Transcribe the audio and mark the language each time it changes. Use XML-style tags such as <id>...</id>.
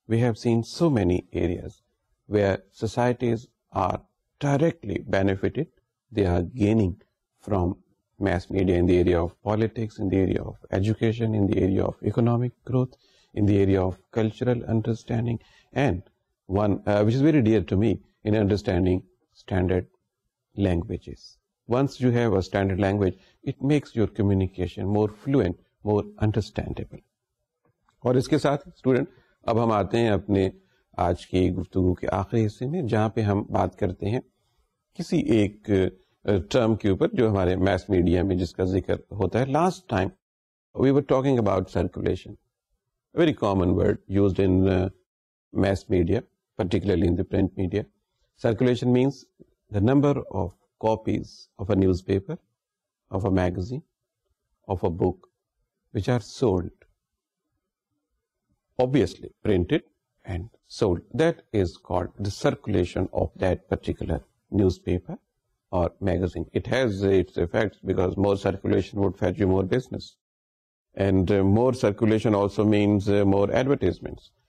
<en>We have seen so many areas where societies are directly benefited, they are gaining from mass media in the area of politics, in the area of education, in the area of economic growth, in the area of cultural understanding, and one which is very dear to me, in understanding standard languages. Once you have a standard language, it makes your communication more fluent, more understandable.</en> <ur>اور اس کے ساتھ student اب ہم آتے ہیں اپنے آج کی گفتگو کے آخری حصے میں جہاں پہ ہم بات کرتے ہیں کسی ایک ٹرم کے اوپر جو ہمارے میس میڈیا میں جس کا ذکر ہوتا ہے.</ur> <en>Last time we were talking about circulation, very common word used in mass media, particularly in the print media. Circulation means the number of copies of a newspaper, of a magazine, of a book which are sold. Obviously printed and sold, that is called the circulation of that particular newspaper or magazine. It has its effects, because more circulation would fetch you more business, and more circulation also means more advertisements.</en>